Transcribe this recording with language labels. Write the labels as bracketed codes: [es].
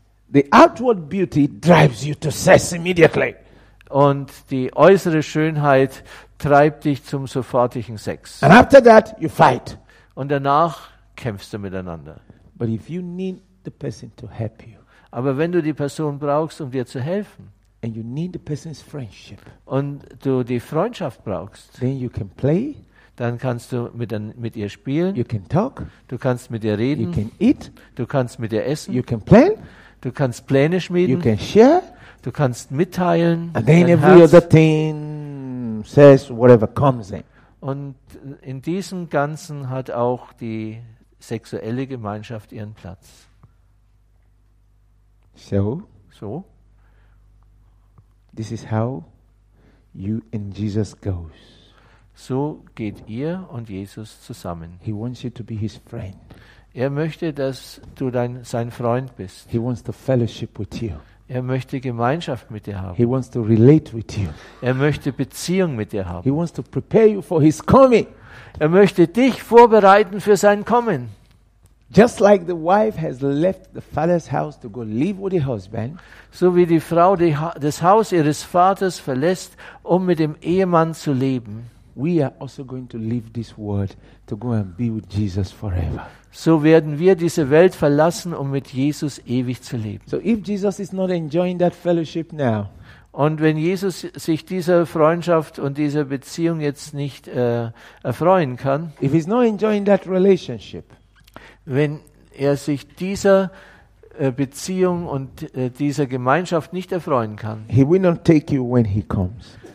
[en] The outward beauty drives you to sex immediately. [de] Und die äußere Schönheit treibt dich zum sofortigen Sex. [en] And after that you fight. [de] Und danach kämpfst du miteinander. [en] But if you need the person to help you. [de] Aber wenn du die Person brauchst, um dir zu helfen. [en] And you need the person's friendship. [de] Und du die Freundschaft brauchst. [en] Then you can play. [de] Dann kannst du mit ihr spielen. [en] You can talk. [de] Du kannst mit ihr reden. [en] You can eat. [de] Du kannst mit ihr essen. [en] You can plan. [de] Du kannst Pläne schmieden. [en] You can share. [de] Du kannst mitteilen. [en] And then every other thing says whatever comes in. [de] Und in diesem Ganzen hat auch die sexuelle Gemeinschaft ihren Platz. [en] So. This is how you and Jesus goes. [de] So geht ihr und Jesus zusammen. [en] He wants you to be his friend. [de] Er möchte, dass du sein Freund bist. [en] He wants to fellowship with you. [de] Er möchte Gemeinschaft mit dir haben. [en] He wants to relate with you. [de] Er möchte Beziehung mit dir haben. [en] He wants to prepare you for his coming. [de] Er möchte dich vorbereiten für sein Kommen. [en] Just like the wife has left the father's house to go live with the husband. [de] So wie die Frau das Haus ihres Vaters verlässt, um mit dem Ehemann zu leben. [en] We are also going to leave this world to go and be with Jesus forever. [de] So werden wir diese Welt verlassen, um mit Jesus ewig zu leben. [en] So if Jesus is not enjoying that fellowship now. [de] Und wenn Jesus sich dieser Freundschaft und dieser Beziehung jetzt nicht erfreuen kann. [en] If he's not enjoying that relationship. [de] Wenn er sich dieser Beziehung und dieser Gemeinschaft nicht erfreuen kann. [en] He will not take you when he comes.